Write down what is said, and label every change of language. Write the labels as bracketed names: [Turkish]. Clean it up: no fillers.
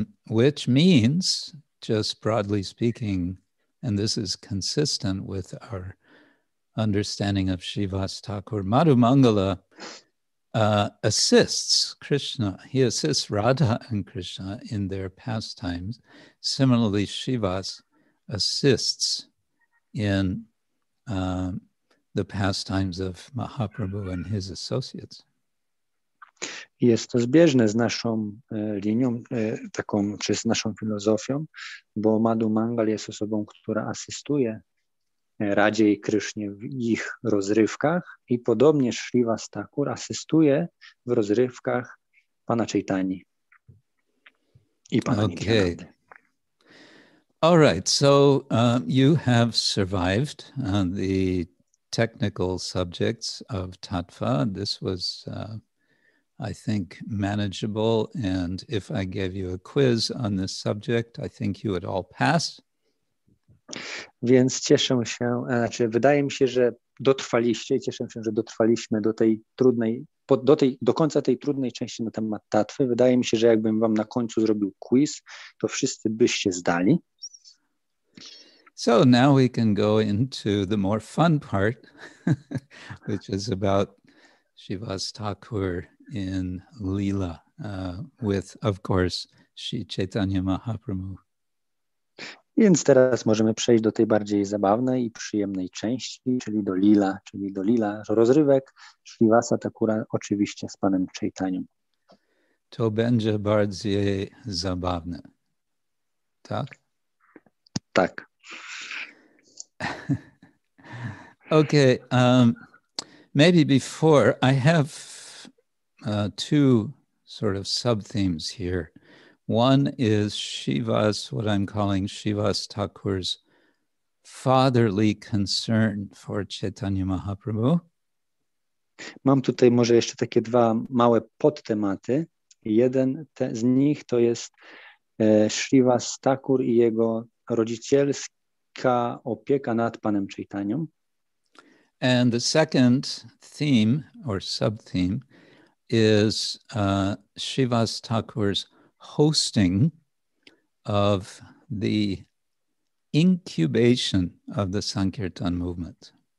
[English] Which means, just broadly speaking, and this is consistent with our understanding of Shivas Thakur, Madhumangala assists Krishna. He assists Radha and Krishna in their pastimes. Similarly, Shivas assists in the pastimes of Mahaprabhu and his associates. [Polish] Jest to zbieżne z naszą linią, taką, czy z naszą filozofią, bo Madhumangala jest osobą, która asystuje Radzie i Krysznie w ich rozrywkach i podobnie Shrivas Thakur asystuje w rozrywkach Pana Chaitani i Pana Nityananda. Okay. [English] All right, so you have survived on the technical subjects of Tattva. This was... I think manageable, and if I gave you a quiz on this subject, I think you would all pass. [Polish] Więc cieszę się, znaczy wydaje mi się, że dotrwaliście, cieszę się, że dotrwaliśmy do tej trudnej, do końca tej trudnej części na temat tatwy. Wydaje mi się, że jakbym wam na końcu zrobił quiz, to wszyscy byście zdali. [English] So now we can go into the more fun part, which is about Shivas Thakur in Leela, with, of course, Sri Chaitanya Mahaprabhu. [Polish] Więc teraz możemy przejść do tej bardziej zabawnej i przyjemnej części, czyli do Leela, rozrywek Shrivasa Thakura, oczywiście z panem Chaitanyą. To będzie bardziej zabawne, tak? Tak. [English] Okay, maybe before, I have two sort of sub-themes here. One is Shiva's, what I'm calling Shiva's Thakur's fatherly concern for Chaitanya Mahaprabhu. [Polish] Mam tutaj może jeszcze takie dwa małe podtematy. Jeden z nich to jest Shiva's Thakur i jego rodzicielska opieka nad panem Chaitanyą. [English] And the second theme or sub-theme is Shiva's Thakur's hosting of the incubation of the Sankirtan movement.